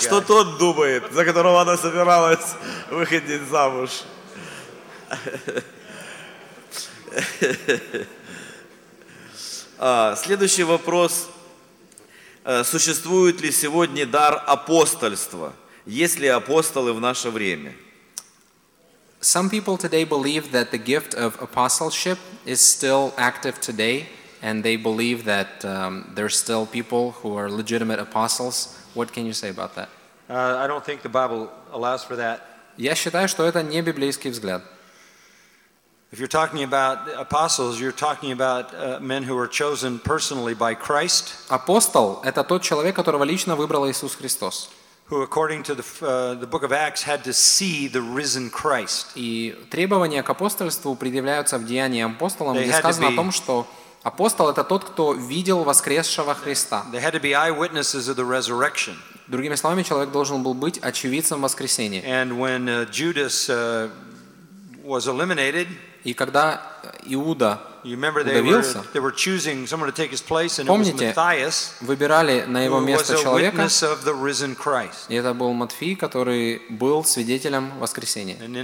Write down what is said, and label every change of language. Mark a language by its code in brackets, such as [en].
[ru] Что тот думает, за которого она собиралась выходить замуж? Следующий вопрос. Существует ли сегодня дар апостольства? Есть ли апостолы в наше время? [en] Some people today believe that the gift of apostleship is still active today, and they believe that there are still people who are legitimate apostles. What can you say about that? I don't think the Bible allows for that. [ru] Я считаю, что это не библейский взгляд. [en] If you're talking about apostles, you're talking about men who were chosen personally by Christ. [ru] Апостол – это тот человек, которого лично выбрал Иисус Христос. [en] Who, according to the book of Acts, had to see the risen Christ. [ru] И требования к апостольству предъявляются в Деянии апостолам, где сказано о том, что апостол это тот, кто видел воскресшего Христа. [en] They had to be eyewitnesses of the resurrection. [ru] Другими словами, человек должен был быть очевидцем воскресения. [en] And when Judas was eliminated, [ru] и когда Иуда удавился. Помните, выбирали на его место человека, и это был Матфей, который был свидетелем воскресения.